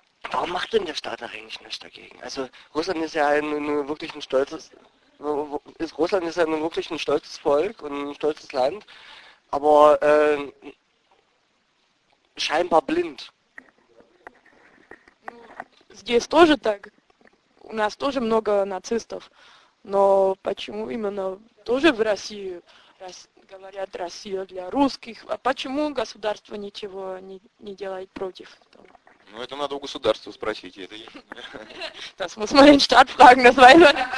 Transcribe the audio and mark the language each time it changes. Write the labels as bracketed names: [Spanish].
[German] Warum macht denn der Staat eigentlich nichts dagegen? Also Russland ist ja ein wirklich stolzes Volk und ein stolzes Land, aber scheinbar blind. [Russian] Здесь тоже так. У нас тоже много нацистов. Но почему именно тоже в России говорят «Россия для русских», а почему государство ничего не делает против? Ну, это надо у государства спросить. [German] Das muss man den Staat fragen, das weiß man.